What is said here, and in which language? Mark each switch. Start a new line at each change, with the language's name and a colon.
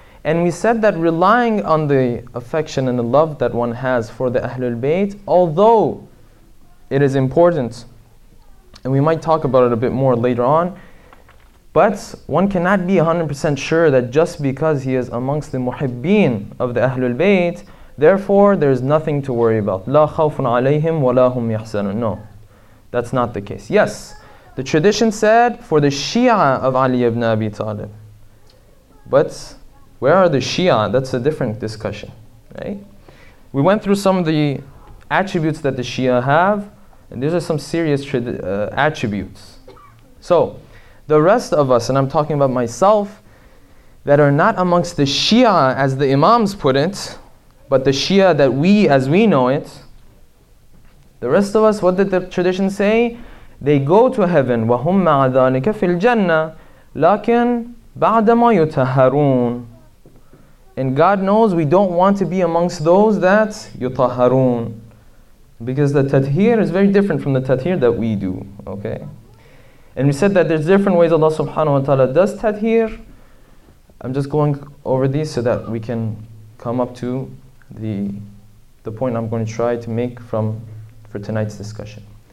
English: And we said that relying on the affection and the love that one has for the Ahlul Bayt, although it is important, and we might talk about it a bit more later on, but one cannot be 100% sure that just because he is amongst the muhibbin of the Ahlul Bayt, therefore there is nothing to worry about.
Arabic: لا خوف عليهم ولا هم يحزنون.
English: No, that's not the case. Yes, the tradition said for the Shia of Ali ibn Abi Talib. But where are the Shia? That's a different discussion, right? We went through some of the attributes that the Shia have, and these are some serious attributes. So, the rest of us, and I'm talking about myself, that are not amongst the Shia, as the Imams put it, but the Shia that we, as we know it, the rest of us, what did the tradition say? They go to heaven,
Arabic: وَهُمْ مَعَ ذَلِكَ فِي الْجَنَّةِ لَكِنْ بَعْدَمَا يُتَهَرُونَ.
English: And God knows we don't want to be amongst those that يُتَهَرُونَ. Because the tathir is very different from the tathir that we do, okay? And we said that there's different ways Allah subhanahu wa ta'ala does tathir. I'm just going over these so that we can come up to the point I'm going to try to make for tonight's discussion.